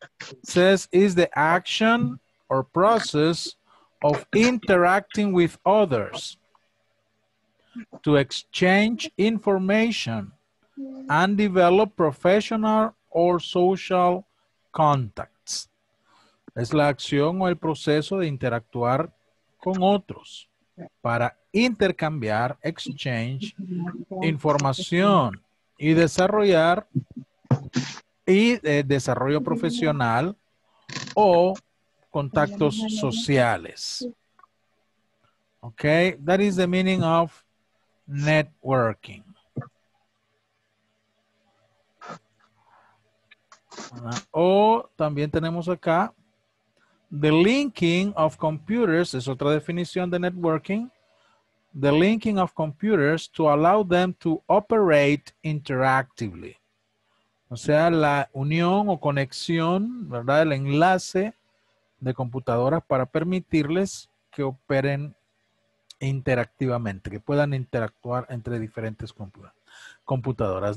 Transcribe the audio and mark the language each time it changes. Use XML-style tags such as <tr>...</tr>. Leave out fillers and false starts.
<en>It says, is the action or process of interacting with others to exchange information and develop professional or social contacts.</en> <es>Es la acción o el proceso de interactuar con otros para intercambiar,</es> <en>exchange,</en> <es>información y desarrollar desarrollo profesional o contactos sociales.</es> <en>Okay, that is the meaning of networking.</en> <es>O también tenemos acá</es> <en>the linking of computers,</en> <es>es otra definición de networking.</es> <en>The linking of computers to allow them to operate interactively.</en> <es>O sea, la unión o conexión, ¿verdad? El enlace de computadoras para permitirles que operen interactivamente, que puedan interactuar entre diferentes computadoras.</es>